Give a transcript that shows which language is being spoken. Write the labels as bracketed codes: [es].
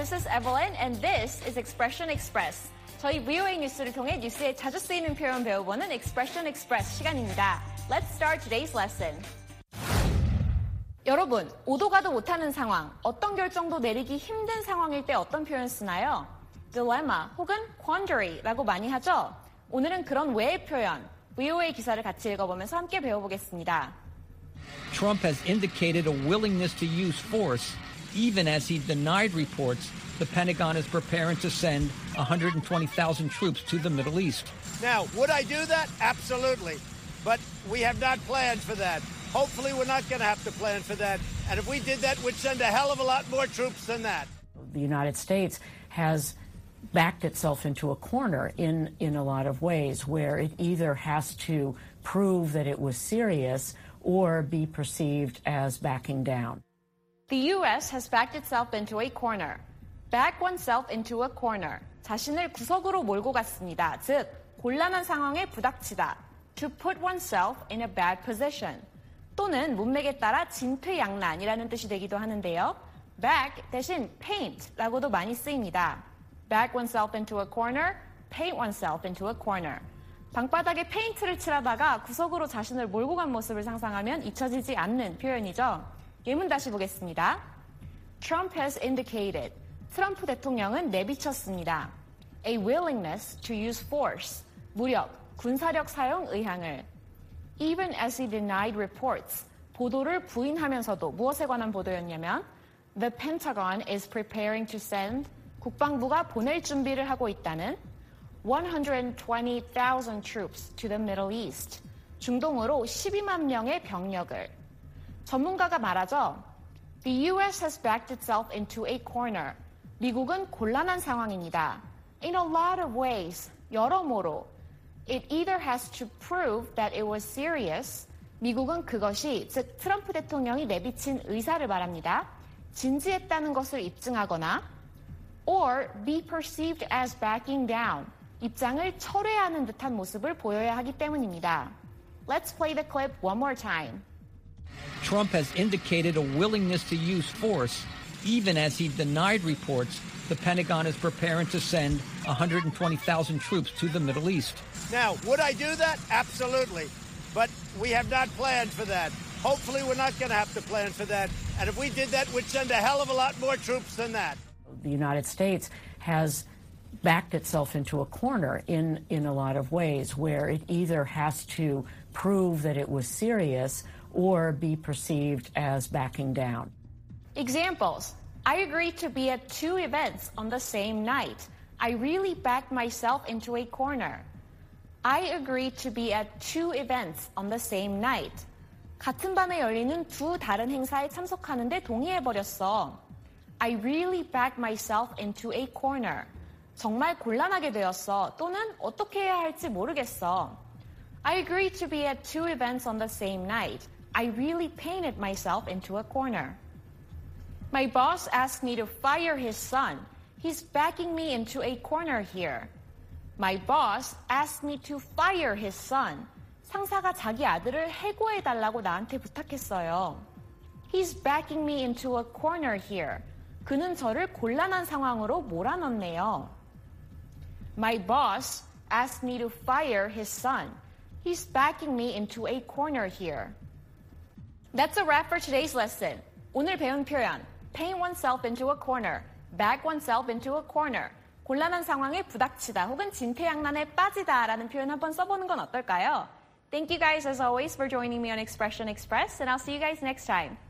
[en] Evelyn, and this is Expression Express. [ko] 저희 VOA 뉴스를 통해 뉴스에 자주 쓰이는 표현 배워보는 Expression Express 시간입니다. [en] Let's start today's lesson. [ko] 여러분, 오도 가도 못하는 상황, 어떤 결정도 내리기 힘든 상황일 때 어떤 표현 쓰나요? Dilemma 혹은 quandary라고 많이 하죠? 오늘은 그런 외의 표현, VOA 기사를 같이 읽어보면서 함께 배워보겠습니다. [en] Trump has indicated a willingness to use force even as he denied reports the Pentagon is preparing to send 120,000 troops to the Middle East. Now, would I do that? Absolutely. But we have not planned for that. Hopefully, we're not going to have to plan for that. And if we did that, we'd send a hell of a lot more troops than that. The United States has backed itself into a corner in a lot of ways where it either has to prove that it was serious or be perceived as backing down. The U.S. has backed itself into a corner. Back oneself into a corner. [ko] 자신을 구석으로 몰고 갔습니다. 즉, 곤란한 상황에 부닥치다. [en] To put oneself in a bad position. [ko] 또는 문맥에 따라 진퇴양난이라는 뜻이 되기도 하는데요. Back 대신 paint라고도 많이 쓰입니다. [en] Back oneself into a corner, paint oneself into a corner. [ko] 방바닥에 페인트를 칠하다가 구석으로 자신을 몰고 간 모습을 상상하면 잊혀지지 않는 표현이죠. 예문 다시 보겠습니다. [en] Trump has indicated. [ko] 트럼프 대통령은 내비쳤습니다. [en] A willingness to use force. [ko] 무력, 군사력 사용 의향을. [en] Even as he denied reports. [ko] 보도를 부인하면서도 무엇에 관한 보도였냐면 [en] The Pentagon is preparing to send. [ko] 국방부가 보낼 준비를 하고 있다는. [en] 120,000 troops to the Middle East. [ko] 중동으로 12만 명의 병력을. 전문가가 말하죠. [en] The U.S. has backed itself into a corner. [ko] 미국은 곤란한 상황입니다. [en] In a lot of ways, [ko] 여러모로. [en] It either has to prove that it was serious. [ko] 미국은 그것이, 즉 트럼프 대통령이 내비친 의사를 말합니다. 진지했다는 것을 입증하거나. [en] Or be perceived as backing down. [ko] 입장을 철회하는 듯한 모습을 보여야 하기 때문입니다. [en] Let's play the clip one more time. Trump has indicated a willingness to use force, even as he denied reports the Pentagon is preparing to send 120,000 troops to the Middle East. Now, would I do that? Absolutely. But we have not planned for that. Hopefully, we're not going to have to plan for that. And if we did that, we'd send a hell of a lot more troops than that. The United States has backed itself into a corner in a lot of ways where it either has to prove that it was serious or be perceived as backing down. Examples. I agreed to be at two events on the same night. I really backed myself into a corner. I agreed to be at two events on the same night. [ko] 같은 밤에 열리는 두 다른 행사에 참석하는데 동의해 버렸어. [en] I really backed myself into a corner. [ko] 정말 곤란하게 되었어. 또는 어떻게 해야 할지 모르겠어. [en] I agreed to be at two events on the same night. I really painted myself into a corner. My boss asked me to fire his son. He's backing me into a corner here. My boss asked me to fire his son. [ko] 상사가 자기 아들을 해고해달라고 나한테 부탁했어요. [en] He's backing me into a corner here. [ko] 그는 저를 곤란한 상황으로 몰아넣네요. [en] My boss asked me to fire his son. He's backing me into a corner here. That's a wrap for today's lesson. [ko] 오늘 배운 표현, [en] paint oneself into a corner, [ko] back oneself into a corner, 곤란한 상황에 부닥치다 혹은 진퇴양난에 빠지다 라는 표현 한번 써보는 건 어떨까요? [en] Thank you guys as always for joining me on Expression Express and I'll see you guys next time.